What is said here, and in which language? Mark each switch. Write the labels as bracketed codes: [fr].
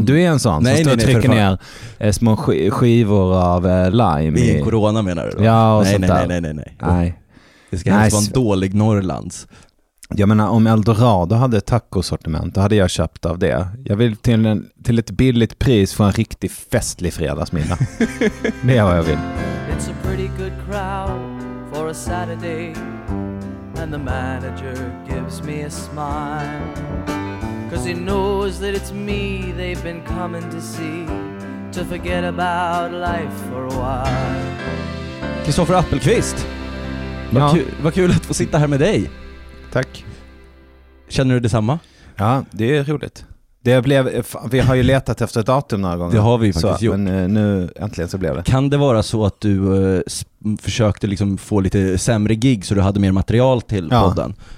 [sv] Du är en sån som trycker ner små skivor av lime. Det är corona menar du då? Ja, och sånt där. Nej. Det ska helst vara en dålig Norrlands. Jag menar, om Eldorado hade tacosortiment, då hade jag köpt av det. Jag vill till ett billigt pris få en riktigt festlig fredagsmiddag. Det är vad jag vill. [en] It's a pretty good crowd for a Saturday, and the manager gives me a smile, 'cause he knows that it's me they've been coming to see, to forget about life for a while. [sv] Kristoffer Appelqvist! Ja. Vad kul att få sitta här med dig. Tack. Känner du detsamma? Ja, det är roligt. Vi har ju letat efter datum några gånger. Det har vi faktiskt så, gjort. Men nu äntligen så blev det. Kan det vara så att du försökte liksom få lite sämre gig så du hade mer material till podden?